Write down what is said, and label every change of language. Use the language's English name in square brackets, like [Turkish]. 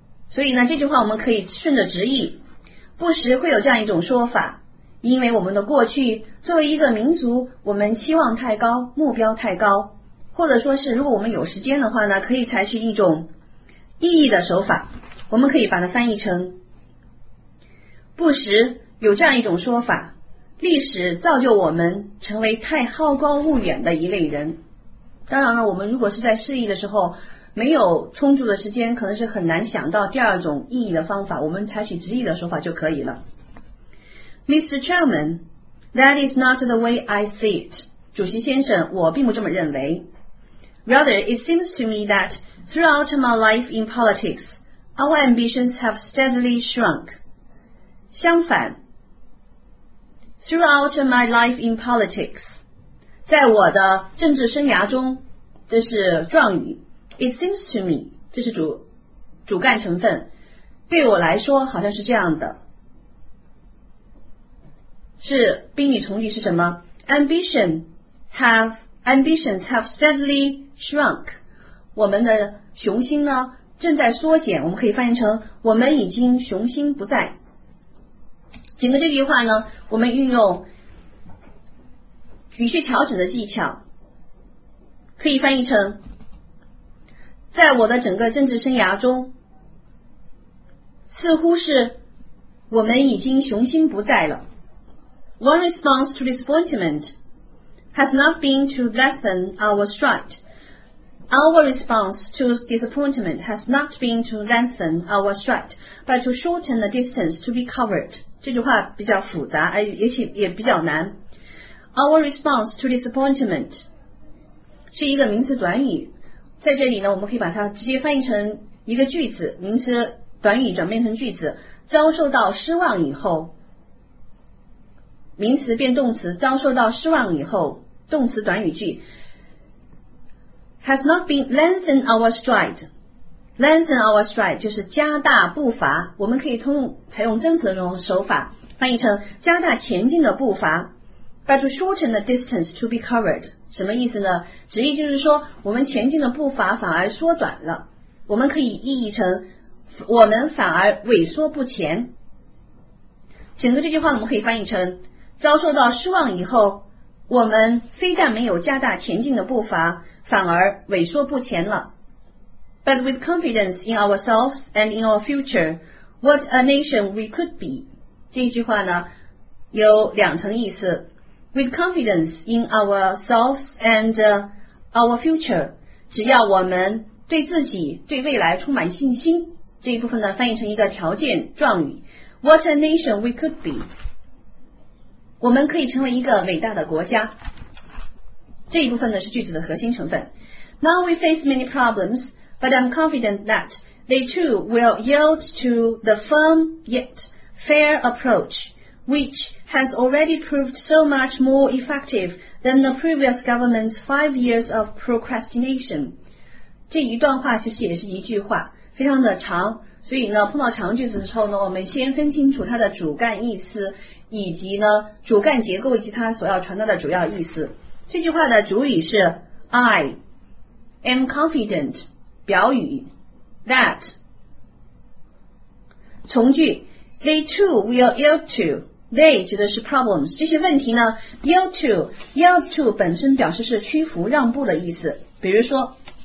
[Chinese] 所以呢这句话我们可以顺着直译，不时会有这样一种说法，因为我们的过去，作为一个民族，我们期望太高，目标太高，或者说是如果我们有时间的话呢，可以采取一种意义的手法，我们可以把它翻译成不时有这样一种说法，历史造就我们成为太好高骛远的一类人。当然了，我们如果是在示意的时候没有充足的时间，可能是很难想到第二种意义的方法，我们采取直译的手法就可以了。 [English] Mr. Chairman, that is not the way I see it. [Chinese] 主席先生，我并不这么认为。 [English] Rather, it seems to me that throughout my life in politics, our ambitions have steadily shrunk. [Chinese] 相反 , [English] throughout my life in politics, [Chinese] 在我的政治生涯中，这是状语。 [English] It seems to me, [Chinese] 这是主干成分。对我来说好像是这样的。是宾语从句是什么？ [English] Ambitions have steadily shrunk. [Chinese] 我们的雄心呢正在缩减，我们可以翻译成我们已经雄心不在。整个这句话呢，我们运用语序调整的技巧，可以翻译成在我的整个政治生涯中，似乎是我们已经雄心不在了。 [English] One response to disappointment has not been to lessen our stride. Our response to disappointment has not been to lengthen our stride, but to shorten the distance to be covered. [Chinese] 这句话比较复杂，也许也比较难。 [English] Our response to disappointment [Chinese] 是一个名词短语，在这里呢，我们可以把它直接翻译成一个句子，名词短语转变成句子。遭受到失望以后，名词变动词，遭受到失望以后，动词短语句。 [English] Has not been lengthen our stride. Lengthen our stride [Chinese] 就是加大步伐，我们可以采用增词的这种手法翻译成加大前进的步伐。 [English] But to shorten the distance to be covered [Chinese] 什么意思呢？直译就是说我们前进的步伐反而缩短了，我们可以意译成我们反而萎缩不前。整个这句话我们可以翻译成遭受到失望以后，我们非但没有加大前进的步伐，反而萎缩不前了。 [English] But with confidence in ourselves and in our future, what a nation we could be. [Chinese] 这句话呢有两层意思。 [English] With confidence in ourselves and our future, [Chinese] 只要我们对自己对未来充满信心，这一部分呢翻译成一个条件状语。 [English] What a nation we could be. [Chinese] 我们可以成为一个伟大的国家。这一部分呢是句子的核心成分。 [English] Now we face many problems, but I'm confident that they too will yield to the firm yet fair approach, which has already proved so much more effective than the previous government's 5 years of procrastination. [Chinese] 这一段话其实也是一句话，非常的长，所以呢碰到长句子的时候呢，我们先分清楚它的主干意思，以及呢主干结构以及它所要传达的主要意思。这句话的主语是 [English] I am confident [Chinese] 表语 that 从句 [English] they too will yield to [Chinese] they 指的是 problems 这些问题呢 yield to 本身表示是屈服让步的意思，比如说